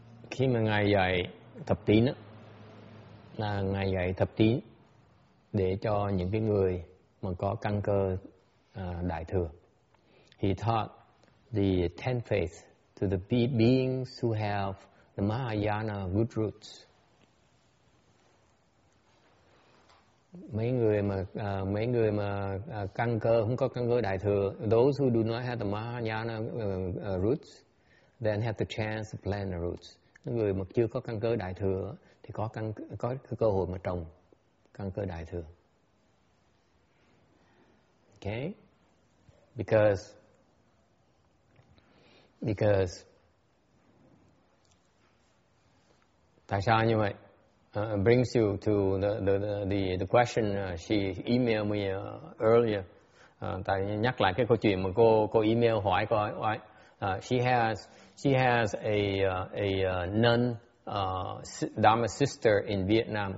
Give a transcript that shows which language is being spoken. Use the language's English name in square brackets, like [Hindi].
[Vietnamese] Khi mà ngài dạy thập tín á, là ngài dạy thập tín để cho những cái người mà có căn cơ đại thừa. [English] He taught the ten faith to the beings who have the Mahayana good roots. [Vietnamese] Mấy người mà căn cơ không có căn cơ đại thừa, [English] those who do not have the Mahayana roots, then have the chance to plant the roots. [Vietnamese] Những người mà chưa có căn cơ đại thừa thì có cơ hội mà trồng căn cơ đại thừa. [English] Okay? [Vietnamese] Because tại sao như vậy? [English] Brings you to the question she emailed me earlier. [Vietnamese] Tại nhắc lại cái câu chuyện mà cô email hỏi cô ấy. [English] She has a nun Dharma sister in Vietnam.